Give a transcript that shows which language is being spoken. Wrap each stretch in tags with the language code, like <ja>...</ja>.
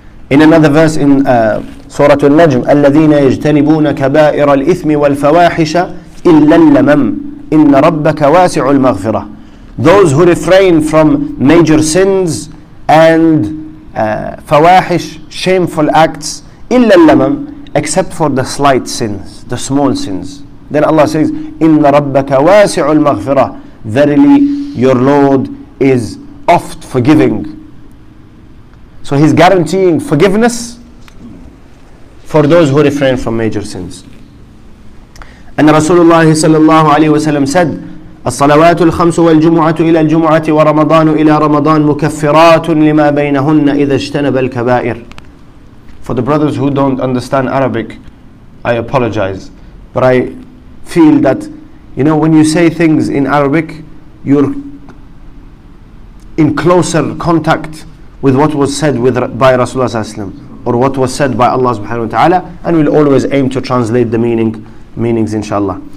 <en>In another verse in Surah Al-Najm,</en> <ar>الَّذِينَ يَجْتَنِبُونَ كَبَائِرَ الْإِثْمِ وَالْفَوَاحِشَ إِلَّا اللَّمَمْ إِنَّ رَبَّكَ وَاسِعُ الْمَغْفِرَةِ,</ar> <en>those who refrain from major sins and fawahish, shameful acts,</en> <ar>إِلَّا اللَّمَمْ,</ar> <en>except for the slight sins, the small sins. Then Allah says,</en> <ar>إِنَّ رَبَّكَ وَاسِعُ الْمَغْفِرَةِ,</ar> <en>verily your Lord is oft forgiving. So He's guaranteeing forgiveness for those who refrain from major sins. And Rasulullah sallallahu alayhi wa sallam said,</en> <ar>الصلوات الخمس والجمعة إلى الجمعة ورمضان إلى رمضان مكفرات لما بينهن إذا اجتنب الكبائر.</ar> <en>For the brothers who don't understand Arabic, I apologize. But I feel that, you know, when you say things in Arabic, you're in closer contact with what was said by Rasulullah sallallahu alayhi wa sallam, or what was said by Allah subhanahu wa ta'ala, and we'll always aim to translate the meanings inshallah.</en>